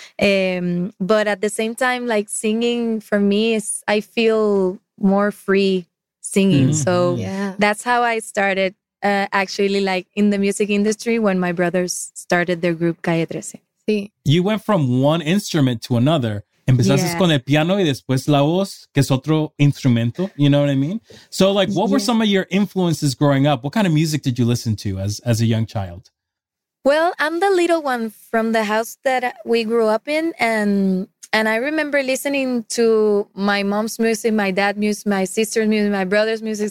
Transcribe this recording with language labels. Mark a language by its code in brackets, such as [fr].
[en] But at the same time, like, singing for me is, I feel more free singing. Mm-hmm. So that's how I started. Actually, like, in the music industry, when my brothers started their group Calle 13. [es] Sí. [en] You went from one instrument to another. [es] Empezaste con el piano y después la voz, que es otro instrumento. [en] You know what I mean? So, like, what were some of your influences growing up? What kind of music did you listen to as a young child? Well, I'm the little one from the house that we grew up in. And I remember listening to my mom's music, my dad's music, my sister's music, my brother's music.